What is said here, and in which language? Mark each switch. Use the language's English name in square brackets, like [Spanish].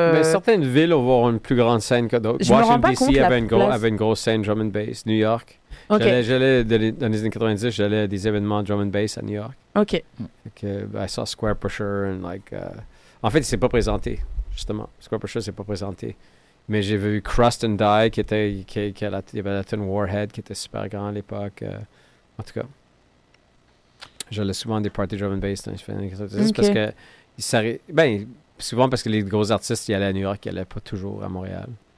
[French] Mais certaines villes vont avoir une plus grande scène que d'autres. Je Washington D.C. avait une grosse scène drum and bass. New York. Okay. J'allais dans les années 90, j'allais à des événements drum and bass à New York. Ok. [English] I saw Square Pusher and like. [French] En fait, c'est pas présenté, justement. Square Pusher, c'est pas présenté. Mais j'ai vu Crust and Die qui avait la tune Warhead qui était super grand à l'époque. En tout cas, j'allais souvent à des parties drum and bass dans les années 90. Okay. Parce que souvent parce que les gros artistes, ils allaient à New York, ils allaient pas toujours à Montréal.